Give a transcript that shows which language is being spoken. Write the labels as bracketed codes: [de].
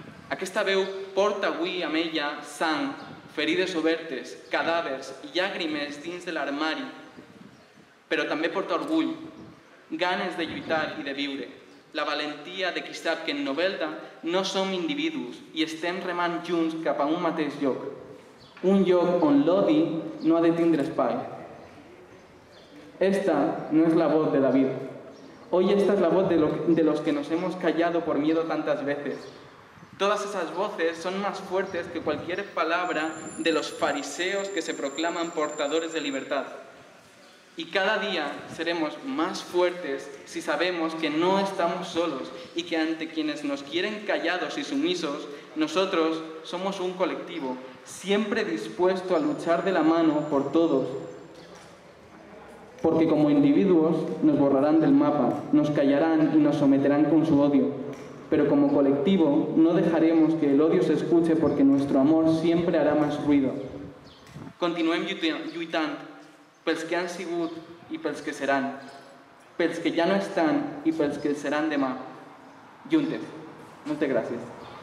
[ca] Aquesta veu porta avui amb ella sang, ferides obertes, cadàvers i llàgrimes dins de l'armari, però també porta orgull, ganes de lluitar i de viure, la valentia de qui sap que en Novelda no som individus i estem remant junts cap a un mateix lloc, un lloc on l'odi no ha de tindre espai. [es] Esta no és la voz de David. Hoy esta és la voz de los que nos hemos callado por miedo tantas veces. Todas esas voces son más fuertes que cualquier palabra de los fariseos que se proclaman portadores de libertad. Y cada día seremos más fuertes si sabemos que no estamos solos y que ante quienes nos quieren callados y sumisos, nosotros somos un colectivo, siempre dispuesto a luchar de la mano por todos. Porque como individuos nos borrarán del mapa, nos callarán y nos someterán con su odio. Pero como colectivo no dejaremos que el odio se escuche porque nuestro amor siempre hará más ruido. [ca] Continuem lluitant pels que han sigut i pels que seran, pels que ja no estan i pels que seran demà. Juntes. Moltes gràcies.